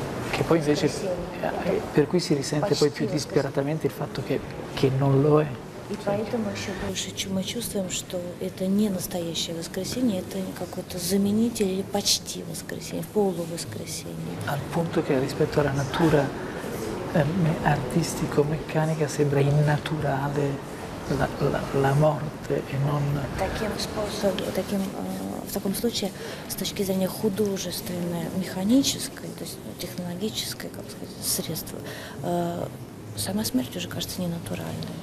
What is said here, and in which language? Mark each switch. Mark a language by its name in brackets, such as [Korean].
[Italian] che poi invece, per cui si risente poi più disperatamente il fatto che non lo è. [Russian] И поэтому еще больше, чем мы чувствуем, что это не настоящее воскресенье, это какой-то заменитель или почти воскресенье, полувоскресенье. [Italian] Al punto che rispetto alla natura artistico-meccanica sembra innaturale la morte e non. [Russian] Таким способом, таким в таком случае, с точки зрения художественной, механической, то есть технологической, как сказать, средства, сама смерть уже кажется ненатуральной.